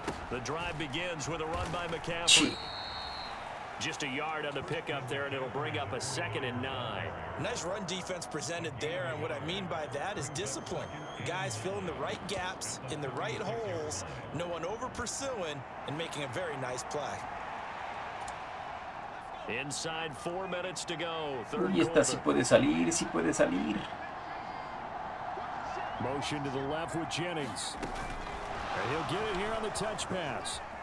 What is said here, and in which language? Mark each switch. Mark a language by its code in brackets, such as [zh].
[en] The drive begins with a run by McCaffrey. Just a yard on the pickup there, and it'll bring up a second and 9. Nice run defense presented there, and what I mean by that is discipline. Guys filling the right gaps in the right holes, no one over pursuing, and making a very nice play. Inside 4 minutes to go. [es] Uy, esta sí puede salir, sí puede salir. [en] Motion to the left with Jennings. And he'll get it here on the touch pass.